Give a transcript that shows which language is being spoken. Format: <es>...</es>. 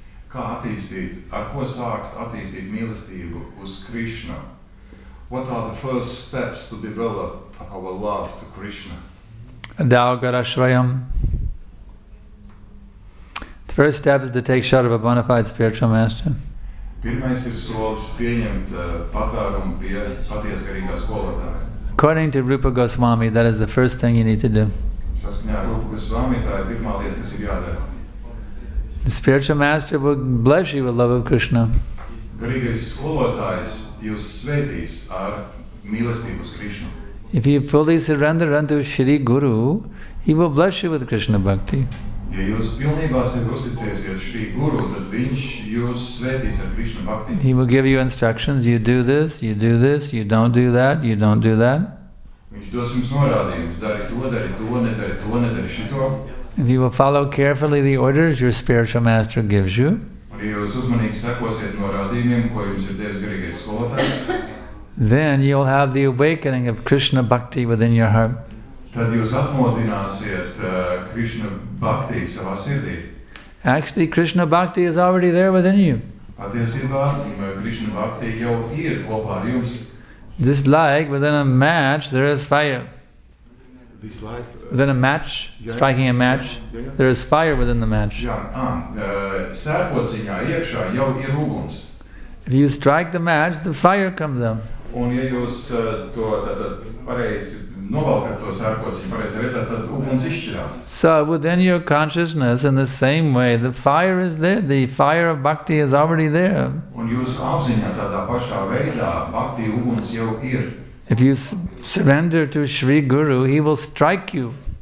<lv>Kā attīstīt, ar ko sākt attīstīt mīlestību uz Krishna?</lv> <en>What are the first steps to develop our love to Krishna?</en> <sa>Daugarashrayam.</sa> <en>The first step is to take shelter of a bona fide spiritual master.</en> <lv>Pirmais ir solis pieņemt patvērumu pie paties garīgā skolotāja.</lv> <en>According to Rupa Goswami, that is the first thing you need to do.</en> <lv>Saskaņā ar Rupa Goswami, tā ir pirmā lieta, kas ir jādara.</lv> <en>The spiritual master will bless you with love of Krishna.</en> <lv>Garīgais skolotājs jūs svētīs ar mīlestību uz Krishna.</lv> <en>If you fully surrender unto Shri Guru, he will bless you with Krishna Bhakti.</en> <lv>Ja jūs pilnībā sev uzticēsiet Shri Guru, tad viņš jūs svētīs ar Krishna Bhakti.</lv> <en>He will give you instructions, you do this, you do this, you don't do that, you don't do that.</en> <lv>Viņš dos jums norādījumus, dari to, dari to, nedari to, nedari šito.</lv> <en>If you will follow carefully the orders your spiritual master gives you,</en> <lv>un ja jūs uzmanīgi sekosiet norādījumiem, ko jums ir devis garīgais skolotājs,</lv> <en>then you'll have the awakening of Krishna Bhakti within your heart.</en> <lv>Tad jūs atmodināsiet Krishna Bhakti savā sirdī.</lv> <en>Actually, Krishna Bhakti is already there within you.</en> <lv>Patiesībā Krishna Bhakti jau ir kopā ar jums.</lv> <en>This like within a match there is fire. This life within a match, striking a match, there is fire within the match.</en> <lv>Sērkociņā iekšā jau ir uguns.</lv> <en>If you strike the match, the fire comes up.</en> <lv>Un ja jūs to tad pareizi novalkat to sērkociņu pareizi vietā, tad uguns izšķirās.</lv> <en>So within your consciousness, in the same way, the fire is there, the fire of bhakti is already there.</en> <lv>Un jūs apziņā tādā pašā veidā bhakti uguns jau ir.</lv> <en>If you surrender to Shri Guru, he will strike you.</en>